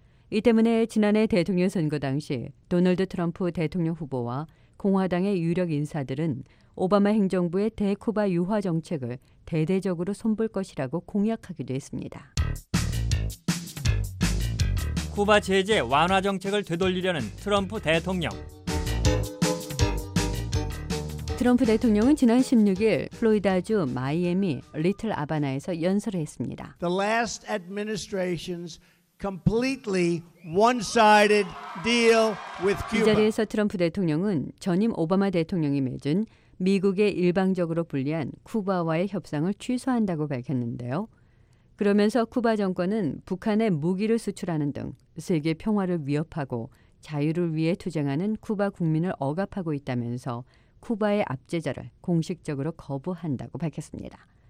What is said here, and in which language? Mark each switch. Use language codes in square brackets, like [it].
[ko] 이 때문에 지난해 대통령 선거 당시 도널드 트럼프 대통령 후보와 공화당의 유력 인사들은 오바마 행정부의 대쿠바 유화 정책을 대대적으로 손볼 것이라고 공약하기도 했습니다. 쿠바 제재 완화 정책을 되돌리려는 트럼프 대통령. 트럼프 대통령은 지난 16일 플로리다주 마이애미 리틀 아바나에서 연설을 했습니다. [en] The last administration's completely one-sided deal with Cuba. [ko] 이 자리에서 트럼프 대통령은 전임 오바마 대통령이 맺은 미국의 일방적으로 불리한 쿠바와의 협상을 취소한다고 밝혔는데요. 그러면서 쿠바 정권은 북한에 무기를 수출하는 등 세계 평화를 위협하고 자유를 위해 투쟁하는 쿠바 국민을 억압하고 있다면서 쿠바의 압제자를 공식적으로 거부한다고 밝혔습니다.